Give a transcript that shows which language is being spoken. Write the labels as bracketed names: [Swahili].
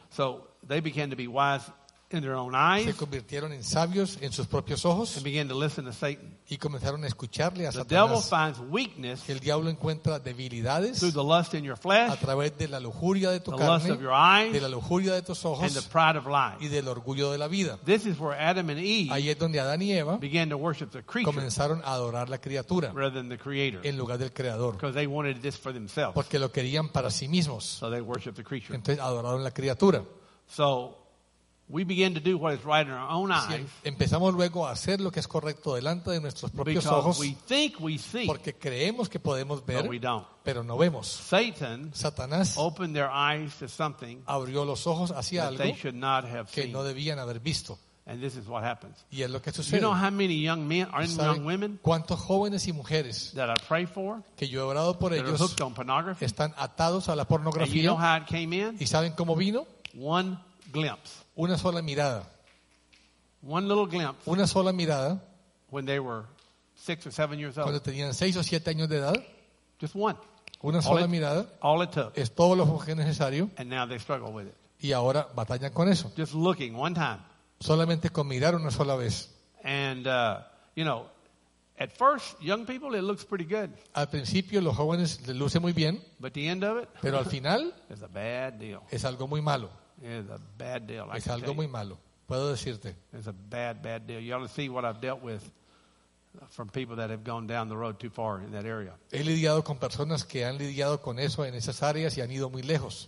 [English] So they began to be wise in their own eyes. [Spanish] Se convirtieron en sabios en sus propios ojos. [English] And began to listen to Satan. [Spanish] Y comenzaron a escucharle a [English] the [Spanish] Satanás. [English] The devil finds weakness. [Spanish] El diablo encuentra debilidades. [English] Through the lust in your flesh. [Spanish] A través de la lujuria de tu [English] the [Spanish] carne. [English] The lust of your eyes. [Spanish] De la lujuria de tus ojos. [English] And the pride of life. [Spanish] Y del orgullo de la vida. [English] This is where Adam and Eve. [Spanish] Ahí es donde Adán y Eva. [English] Began to worship the creature. [Spanish] Comenzaron a adorar la criatura. [English] Rather than the creator. [Spanish] En lugar del creador. [English] Because they wanted this for themselves. [Spanish] Porque lo querían para sí mismos. [English] So they worshiped the creature. [Spanish] Entonces adoraron la criatura. [English] So we begin to do what is right in our own eyes. [Spanish] Empezamos luego a hacer lo que es correcto delante de nuestros propios ojos. [English] We think we see, [Spanish] porque creemos que podemos ver, [English] but we don't. [Spanish] Pero no vemos. [English] Satan, [Spanish] Satanás, [English] opened their eyes to something, [Spanish] abrió los ojos hacia [English] that [Spanish] algo [English] they should not have [Spanish] que [English] seen. [Spanish] No debían haber visto. [English] And this is what happens. [Spanish] Y es lo que sucede. [English] You know how many young men or young women, [Spanish] ¿cuántos jóvenes y mujeres, [English] that I pray for, [Spanish] que yo he orado por ellos, [English] that are hooked on pornography, [Spanish] están atados a la pornografía? [English] And you know how it came in? [Spanish] ¿Y saben cómo vino? [English] One glimpse. [Spanish] Una sola mirada. [English] One little glimpse. [Spanish] Una sola mirada. [English] When they were 6 or 7 years old. [Spanish] Cuando tenían 6 o 7 años de edad. [English] Just one. [Spanish] Una sola mirada. [English] All it took. [Spanish] Es todo lo que es necesario. [English] And now they struggle with it. [Spanish] Y ahora batallan con eso. [English] Just looking one time. [Spanish] Solamente con mirar una sola vez. [English] And you know, at first, young people, it looks pretty good. [Spanish] Al principio los jóvenes les luce muy bien. [English] But the end of it. [Spanish] Pero al final. [English] Is a bad deal. [Spanish] Es algo muy malo. [English] It's a bad deal. [Spanish] Es algo muy malo. Puedo decirte. [English] It's a bad, bad deal. You ought to see what I've dealt with from people that have gone down the road too far in that area. [Spanish] He lidiado con personas que han lidiado con eso en esas áreas y han ido muy lejos.